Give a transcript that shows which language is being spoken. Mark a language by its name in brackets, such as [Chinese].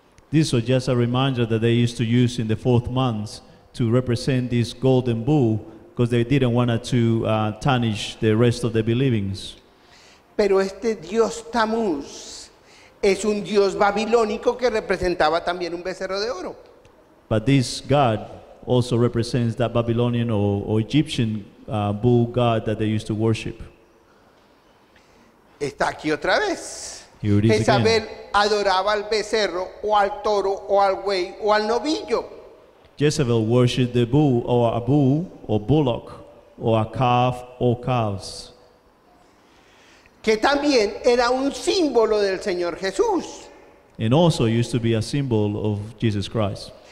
[English] This was just a reminder that they used to use in the fourth month to represent this golden bull, because they didn't want to tarnish the rest of the believings. [Spanish] Pero este dios Tammuz es un dios babilónico que representaba también un becerro de oro. [English] But this god also represents that Babylonian or Egyptian bull god that they used to worship. [Spanish] Está aquí otra vez. [English] Here it is Jezabel again. [Spanish] Adoraba al becerro o al toro o al buey o al novillo. [English] Jezebel worshipped the bull or a bull or bullock or a calf or calves. [Spanish] Que también era un símbolo del Señor Jesús. [English] And also used to be a symbol of Jesus Christ.